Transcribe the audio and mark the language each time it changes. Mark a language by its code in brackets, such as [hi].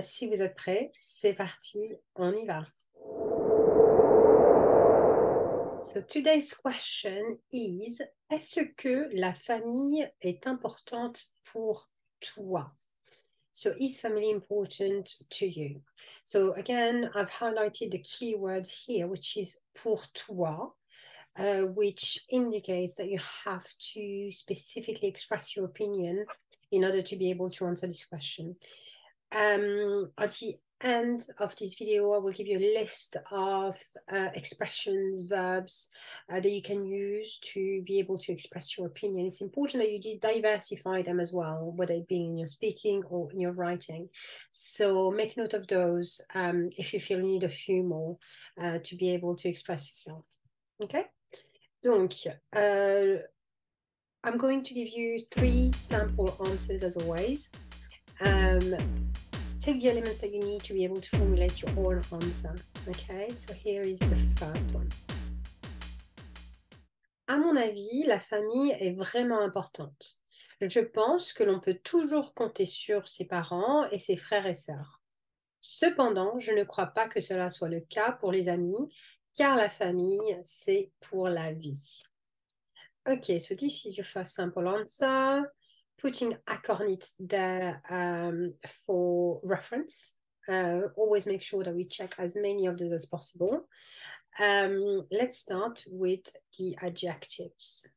[fr] Si vous êtes prêts, c'est parti, on y va. [en] So today's question is, [fr] est-ce que la famille est importante pour toi? [en] So, is family important to you? So, again, I've highlighted the key word here, which is pour toi, which indicates that you have to specifically express your opinion in order to be able to answer this question. At the end of this video, I will give you a list of expressions, verbs that you can use to be able to express your opinion. It's important that you diversify them as well, whether it being in your speaking or in your writing. So make note of those if you feel you need a few more to be able to express yourself. Okay? Donc, I'm going to give you three sample answers as always. Take the elements that you need to be able to formulate your oral answer. Okay, so here is the first one. [fr] À mon avis, la famille est vraiment importante. Je pense que l'on peut toujours compter sur ses parents et ses frères et sœurs. Cependant, je ne crois pas que cela soit le cas pour les amis, car la famille, c'est pour la vie. [en] Okay, so this is your first simple answer. Putting accordance there for reference. Always make sure that we check as many of those as possible. Let's start with the adjectives.